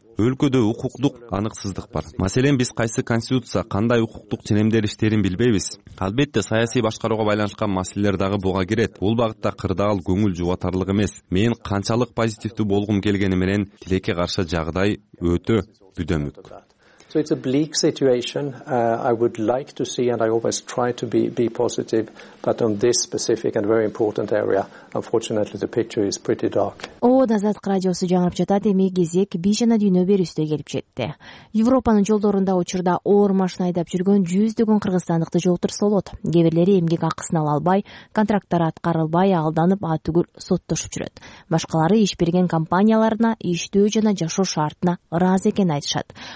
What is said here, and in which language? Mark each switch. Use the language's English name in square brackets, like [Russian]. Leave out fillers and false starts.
[Kyrgyz] Өлкөдө укуктук аныксыздык бар. Маселен, биз кайсы конституция, кандай укуктук ченемдер иштерин билбейбиз. Албетте, саясий башкарууга байланышкан маселелер дагы буга кирет. Бул багытта кырдаал көңүл жубатарлык эмес. Мен канчалык позитивдүү болгум келгени менен тилекке каршы жагдай өтө күдөмүк. [English] it's a bleak situation. I would like to see, and I always try to be positive, but on this specific and very important area, unfortunately, the picture is pretty dark. [Kyrgyz] ООН Азаттык радиосу жаңырып жатат. Эми кезек бийшана дүйнө берүүсүнө келип жетти. Европанын жолдорунда учурда оор машина айдап жүргөн жүздөгөн кыргызстандыкты жолтурсолот. Кээбирлери эмгек акысын ала албай, контракттары аткарылбай, алданып, атүгүл соттошуп жүрөт. Башкалары иш берген компанияларына иштөө жана жашоо шартына ыраазы экенин айтышат.